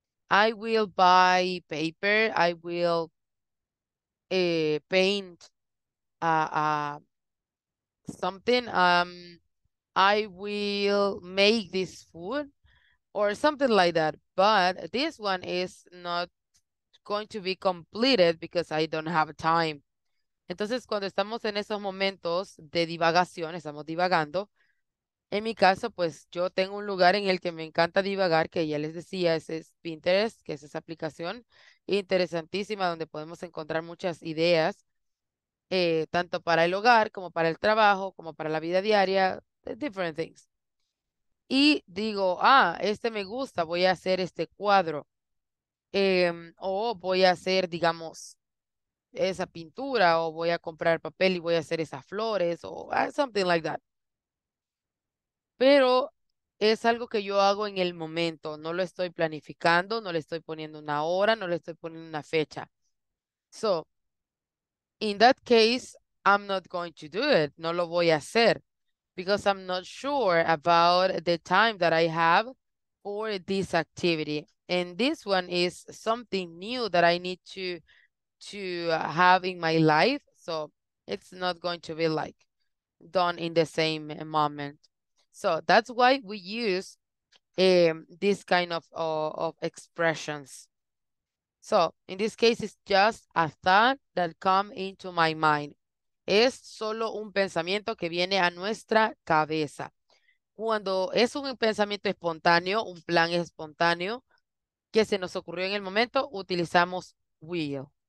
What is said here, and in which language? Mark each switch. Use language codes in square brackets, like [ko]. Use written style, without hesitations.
[en] I will buy paper. I will paint something. I will make this food or something like that. But this one is not going to be completed because I don't have time. [es] Entonces, cuando estamos en esos momentos de divagación, estamos divagando. En mi caso, pues yo tengo un lugar en el que me encanta divagar, que ya les decía, ese es Pinterest, que es esa aplicación interesantísima donde podemos encontrar muchas ideas, tanto para el hogar, como para el trabajo, como para la vida diaria, [en] different things. [es] Y digo, ah, este me gusta, voy a hacer este cuadro. O voy a hacer, digamos, esa pintura, o voy a comprar papel y voy a hacer esas flores, o [en] something like that. [es] Pero es algo que yo hago en el momento. No lo estoy planificando, no le estoy poniendo una hora, no le estoy poniendo una fecha. [en] So, in that case, I'm not going to do it. [es] No lo voy a hacer. [en] Because I'm not sure about the time that I have for this activity. And this one is something new that I need to have in my life. So it's not going to be like done in the same moment. So that's why we use this kind of expressions. So in this case, it's just a thought that comes into my mind. [es] Es solo un pensamiento que viene a nuestra cabeza. Cuando es un pensamiento espontáneo, un plan espontáneo que se nos ocurrió en el momento, utilizamos will.